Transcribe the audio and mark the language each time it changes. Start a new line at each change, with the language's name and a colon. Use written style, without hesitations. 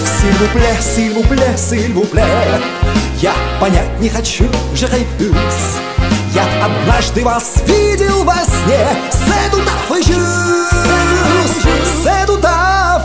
French: S'il vous plaît, s'il vous plaît, s'il vous plaît.
Russian: Я понять не хочу,
French: je refuse.
Russian: Я однажды вас видел во сне.
French: C'est tout à fait juste. C'est tout à fait juste.